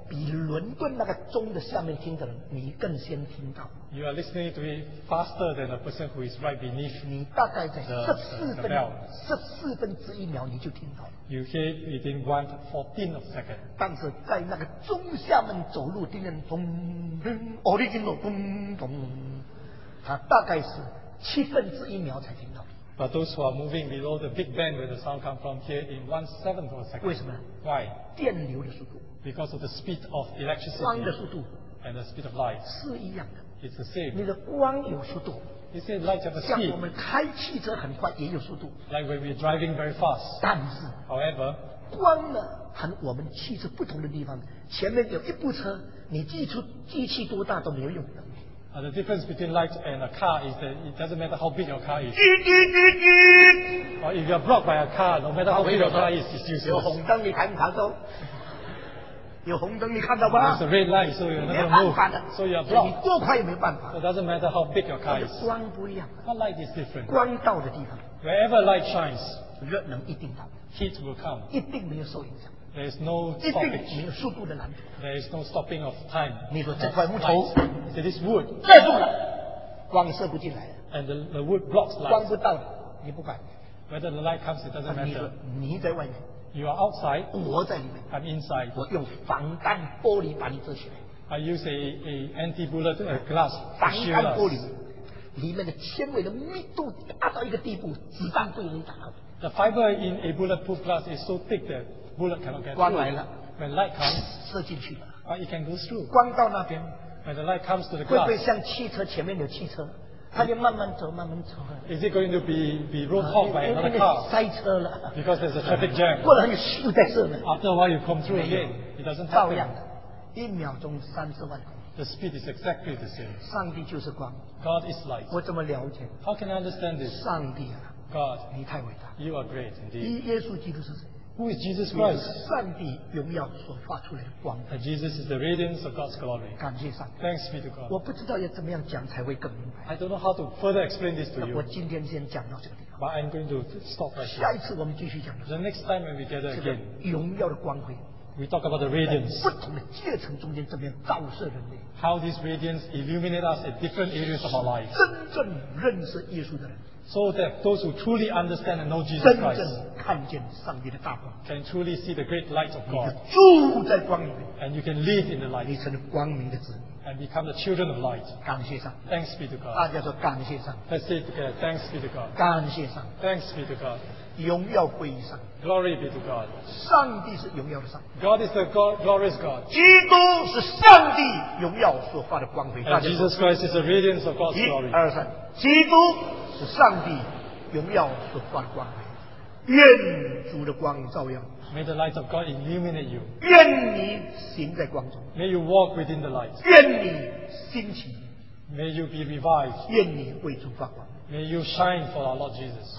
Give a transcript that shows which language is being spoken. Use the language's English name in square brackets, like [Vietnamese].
[Chinese] 比伦敦那个钟的下面听的人，你更先听到。 [English] You are listening to it faster than a person who is right beneath。 [Chinese] 你大概在14分之1秒你就听到。 [English] You hear within 1/14 of a second。 [Chinese] 但是在那个钟下面走路的人，咚咚 ，original 咚咚，他大概是1/7秒才听到。 [English] But those who are moving below the Big Bang where the sound comes from here in 1/7 of a second. [Chinese] 为什么？ [English] Why? [Chinese] 电流的速度。 [English] Because of the speed of electricity. [Chinese] 光的速度。 [English] And the speed of light. [Chinese] 是一样的。 [English] It's the same. [Chinese] 你的光有速度。 [English] You see, light has a speed. [Chinese] 像我们开汽车很快也有速度。 [English] Like when we're driving very fast. [Chinese] 但是。 [English] However. [Chinese] 光呢和我们汽车不同的地方，前面有一部车，你机器多大都没有用的。 [English] The difference between light and a car is that it doesn't matter how big your car is. Or if you are blocked by a car, no matter how big your car is, it's useless. [Chinese] 有红灯你看不看到？有红灯你看到吗？ [English] It's a red light, so you're not going to move. So you are blocked. [Chinese] 你多快也没办法。 [English] So it doesn't matter how big your car is. [Chinese] 光不一样。 [English] But light is different. [Chinese] 光到的地方。 [English] Wherever light shines, [Chinese] 热能一定到。 [English] Heat will come. [Chinese] 一定没有受影响。 [English] There is no stoppage. [Chinese] 没有速度的拦阻。 [English] There is no stopping of time. [Chinese] 你说这块木头 [English] ，It is wood. [Chinese] 盖住了，光射不进来。 [English] And the wood blocks light. [Chinese] 光不到了，你不管。 [English] Whether the light comes, it doesn't matter. [Chinese] 你在外面。 [English] You are outside. [Chinese] 我在里面。 [English] I'm inside. [Chinese] 我用防弹玻璃把你遮起来。 [English] I use a anti-bullet glass. [Chinese] 挡弹玻璃, 里面的纤维的密度达到一个地步, [English] the fiber in a bulletproof glass is so thick that bullet cannot get [Chinese] 光来了, [English] through. When light comes, [Chinese] 射进去了, [English] it can go through. [Chinese] 光到那边, [English] when the light comes to the glass, [Chinese] 会不会像汽车前面的汽车? 它就慢慢走, 慢慢走, [English] is it going to be road hog by another car? [Chinese] 塞车了, [English] because there's a traffic jam. [Chinese] 过了很久在这里, [English] after a while you come through again, it doesn't happen. [Chinese] 一秒钟30万公里 [English] The speed is exactly the same. [Chinese] 上帝就是光 [English] God is light. [Chinese] 我怎么了解? [English] How can I understand this? [Chinese] 上帝啊, [English] God, [Chinese] 你太伟大, [English] you are great indeed. [Chinese] 耶稣基督是谁? [English] Who is Jesus Christ? [Chinese] 上帝荣耀所发出来的光, [English] and Jesus is the radiance of God's glory. [Chinese] 感谢上帝, [English] thanks be to God. [Chinese] 我不知道要怎么样讲才会更明白, [English] I don't know how to further explain this to you. [Chinese] 我今天先讲到这里, [English] but I'm going to stop right here. [Chinese] 下一次我们继续讲, [English] the next time when we gather again, [Chinese] 荣耀的光辉, [English] we talk about the radiance, how this radiance illuminates us at different areas of our lives, so that those who truly understand and know Jesus Christ can truly see the great light of God, and you can live in the light and become the children of light. Thanks be to God. Let's say it together. Thanks be to God. Thanks be to God. [Chinese] 荣耀归于上, [English] glory be to God. [Chinese] 上帝是荣耀的上, [English] God is the God, glorious God. [Chinese] 基督是上帝荣耀所发的光辉, [English] and Jesus Christ is the radiance of God's glory. [Chinese] 一二三, 基督是上帝荣耀所发的光辉, 愿主的光照耀, [English] may the light of God illuminate you. [Chinese] 愿你行在光中, [English] may you walk within the light. [Chinese] 愿你兴起, [English] may you be revived. [Chinese] 愿你为主发光, [English] may you shine for our Lord Jesus.